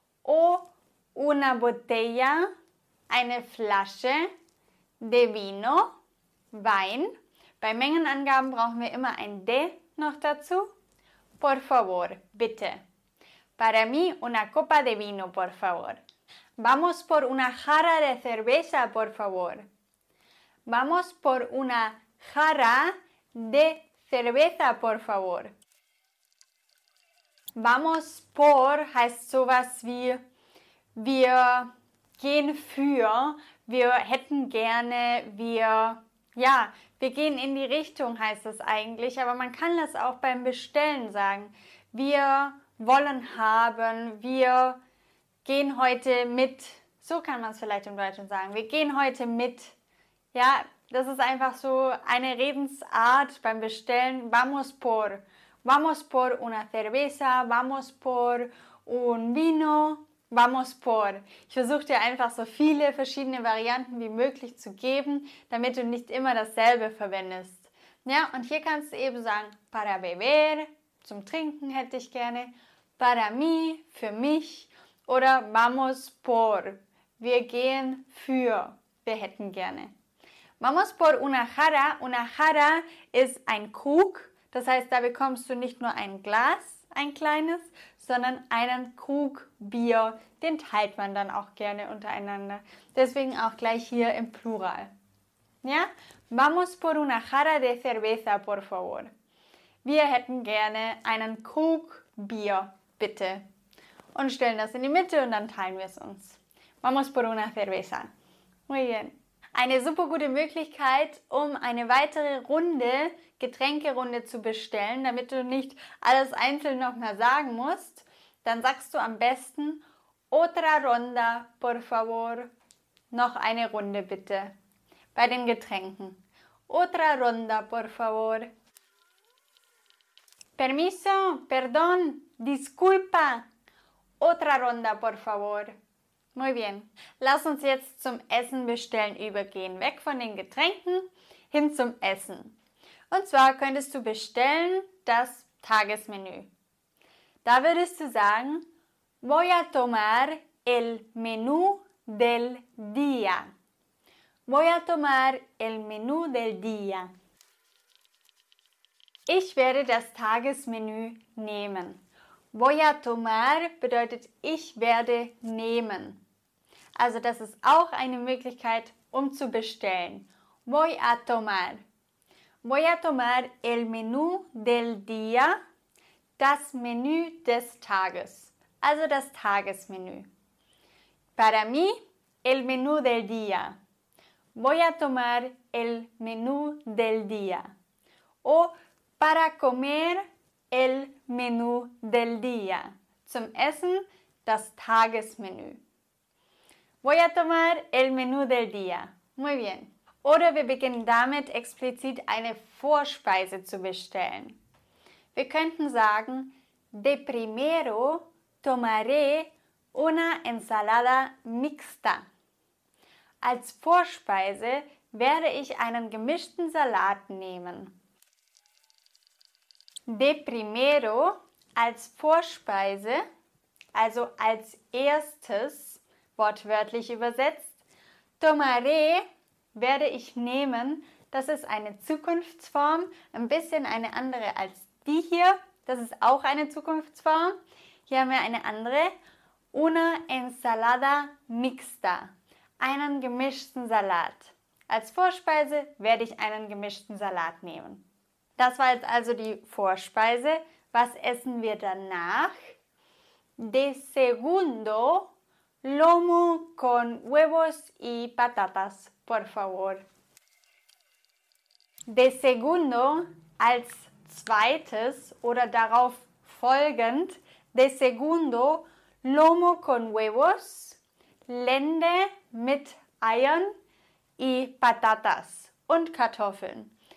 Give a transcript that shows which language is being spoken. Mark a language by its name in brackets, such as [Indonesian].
[Spanish] O una botella, [German] eine Flasche. [Spanish] De vino, [German] Wein. Bei Mengenangaben brauchen wir immer ein de noch dazu. [Spanish] Por favor, [German] bitte. [Spanish] Para mí, una copa de vino, por favor. Vamos por una jarra de cerveza, por favor. Vamos por una jarra de cerveza, por favor. [German] Vamos por heißt sowas wie wir gehen für, wir hätten gerne, wir, ja, wir gehen in die Richtung heißt es eigentlich, aber man kann das auch beim Bestellen sagen. Wir wollen haben, wir gehen heute mit, so kann man es vielleicht im Deutschen sagen, wir gehen heute mit. Ja, das ist einfach so eine Redensart beim Bestellen. [Spanish] Vamos por una cerveza, vamos por un vino, vamos por. [German] Ich versuche dir einfach so viele verschiedene Varianten wie möglich zu geben, damit du nicht immer dasselbe verwendest. Ja, und hier kannst du eben sagen, [Spanish] para beber, [German] zum Trinken hätte ich gerne, [Spanish] para mí, [German] für mich, oder [Spanish] vamos por, [German] wir gehen für, wir hätten gerne. [Spanish] Vamos por una jarra. Una jarra [German] ist ein Krug. Das heißt, da bekommst du nicht nur ein Glas, ein kleines, sondern einen Krug Bier. Den teilt man dann auch gerne untereinander. Deswegen auch gleich hier im Plural. Ja? [Spanish] Vamos por una jarra de cerveza, por favor. [German] Wir hätten gerne einen Krug Bier, bitte. Und stellen das in die Mitte und dann teilen wir es uns. [Spanish] Vamos por una cerveza. Muy bien. [German] Eine super gute Möglichkeit, um eine weitere Runde, Getränkerunde zu bestellen, damit du nicht alles einzeln nochmal sagen musst. Dann sagst du am besten, [Spanish] otra ronda, por favor. [German] Noch eine Runde, bitte. Bei den Getränken. [Spanish] Otra ronda, por favor. Permiso, perdón, disculpa. Otra ronda, por favor. Muy bien. [German] Lass uns jetzt zum Essen bestellen übergehen. Weg von den Getränken hin zum Essen. Und zwar könntest du bestellen das Tagesmenü. Da würdest du sagen, [Spanish] voy a tomar el menú del día. Voy a tomar el menú del día. [German] Ich werde das Tagesmenü nehmen. [Spanish] Voy a tomar [German] bedeutet, ich werde nehmen. Also das ist auch eine Möglichkeit, um zu bestellen. [Spanish] Voy a tomar. Voy a tomar el menú del día. [German] Das Menü des Tages. Also das Tagesmenü. [Spanish] Para mí, el menú del día. Voy a tomar el menú del día. O para comer el menú del día. [German] Zum Essen, das Tagesmenü. [Spanish] Voy a tomar el menú del día. Muy bien. [German] Oder wir beginnen damit, explizit eine Vorspeise zu bestellen. Wir könnten sagen, [Spanish] de primero tomaré una ensalada mixta. [German] Als Vorspeise werde ich einen gemischten Salat nehmen. [Spanish] De primero, [German] als Vorspeise, also als erstes, wortwörtlich übersetzt, [Spanish] tomaré, [German] werde ich nehmen, das ist eine Zukunftsform, ein bisschen eine andere als die hier, das ist auch eine Zukunftsform. Hier haben wir eine andere, [Spanish] una ensalada mixta, [German] einen gemischten Salat. Als Vorspeise werde ich einen gemischten Salat nehmen. Das war jetzt also die Vorspeise. Was essen wir danach? [Spanish] De segundo, lomo con huevos y patatas, por favor. De segundo, [German] als zweites oder darauf folgend, de segundo, [Spanish] lomo con huevos, [German] Lende mit Eiern [Spanish] y patatas [German] und Kartoffeln.